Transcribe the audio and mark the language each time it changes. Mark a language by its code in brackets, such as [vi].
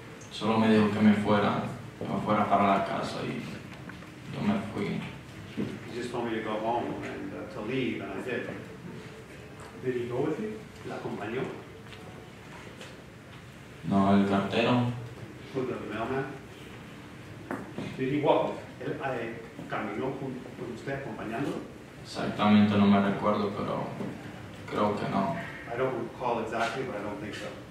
[es] Solo me dijo que me fuera para la casa y yo me fui. [en] He just told me to go home and to leave, and I did. Did he go with you? [es] ¿La acompañó? No, el cartero. [en] Who, the mailman? Did he walk? [es] ¿Él caminó con usted acompañándolo? Exactamente, no me recuerdo, pero creo que no. [en] I don't recall exactly, but I don't think so.